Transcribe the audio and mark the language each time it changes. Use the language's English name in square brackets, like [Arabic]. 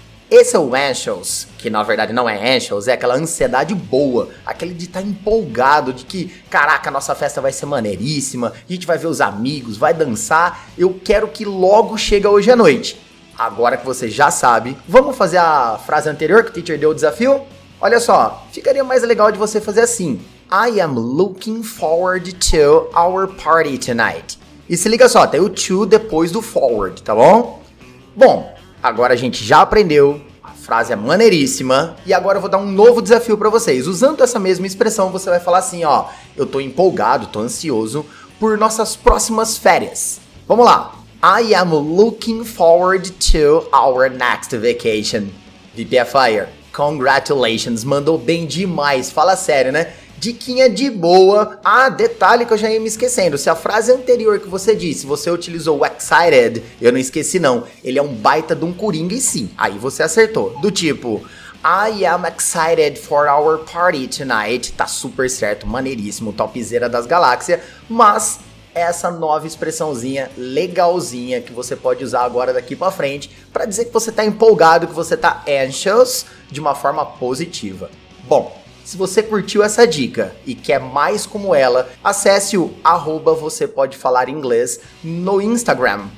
[Portuguese] Esse é o anxious, que na verdade não é anxious, é aquela ansiedade boa, aquele de estar empolgado, de que, caraca, nossa festa vai ser maneiríssima, a gente vai ver os amigos, vai dançar, eu quero que logo chegue hoje à noite. Agora que você já sabe, vamos fazer a frase anterior que o teacher deu o desafio? Olha só, ficaria mais legal de você fazer assim. [English] I am looking forward to our party tonight. [Portuguese] E se liga só, tem o to depois do forward, tá bom? Bom, agora a gente já aprendeu, a frase é maneiríssima, e agora eu vou dar um novo desafio pra vocês. Usando essa mesma expressão, você vai falar assim, ó, eu tô empolgado, tô ansioso por nossas próximas férias. Vamos lá. [English] I am looking forward to our next vacation. [Portuguese] VPFire, congratulations, mandou bem demais, fala sério, né? Diquinha de boa. Ah, detalhe que eu já ia me esquecendo. Se a frase anterior que você disse, você utilizou o excited, eu não esqueci não. Ele é um baita de um coringa e sim. Aí você acertou. Do tipo, [English] I am excited for our party tonight. [Portuguese] Tá super certo, maneiríssimo, topzera das galáxias. Mas essa nova expressãozinha legalzinha que você pode usar agora daqui pra frente pra dizer que você tá empolgado, que você tá anxious de uma forma positiva. Bom, se você curtiu essa dica e quer mais como ela, acesse o @ você pode falar inglês no Instagram.